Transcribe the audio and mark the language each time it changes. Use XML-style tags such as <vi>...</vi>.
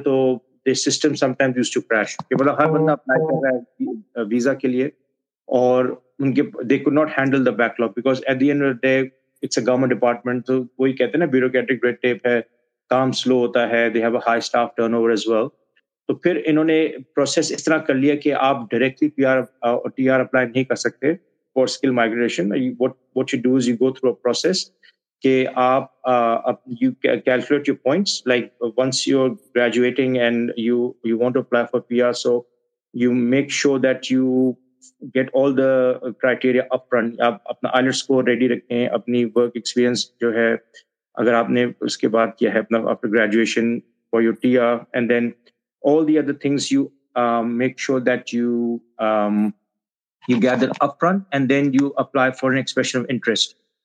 <en>So the system sometimes used to crash.</en> <hi>Ke bola har banda apply kar raha hai visa ke liye, aur unke</hi> <en>they could not handle the backlog because at the end of the day. It's a government department. So,</en> <hi>वही कहते हैं ना bureaucratic red tape है, काम slow होता है,</hi> <en>they have a high staff turnover as well.</en> <hi>तो फिर इन्होंने process इस तरह कर लिया कि आप directly PR or TR apply नहीं कर सकते</hi> <en>for skill migration. What you do is you go through a process</en> <hi>कि आप</hi> <en>you calculate your points. Like once you're graduating and you want to apply for PR, so you make sure that you get all the criteria upfront.</en> <hi>आप अपना IELTS score ready रखें, अपनी work experience जो है, अगर आपने उसके बाद किया है अपना</hi> <en>after graduation for your TR, and then all the other things you make sure that you you gather upfront, and then you apply for an expression of interest.</en>